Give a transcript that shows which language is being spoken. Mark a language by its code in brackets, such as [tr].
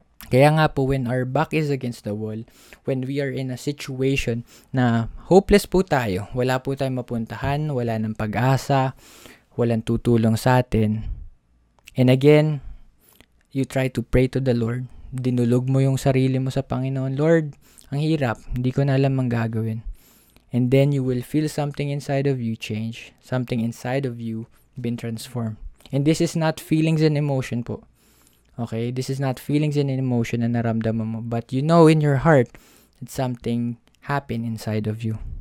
[tl] Kaya nga po, [en] when our back is against the wall, when we are in a situation [tl] na hopeless po tayo, wala po tayong mapuntahan, wala ng pag-asa, walang tutulong sa atin. [en] And again, you try to pray to the Lord. [tl] Dinulog mo yung sarili mo sa Panginoon. Lord, ang hirap, hindi ko na alam ang gagawin. [en] And then you will feel something inside of you change, something inside of you been transformed. And this is not feelings and emotion po. Okay, this is not feelings and emotion [tl] na naramdaman mo, [en] but you know in your heart that something happened inside of you.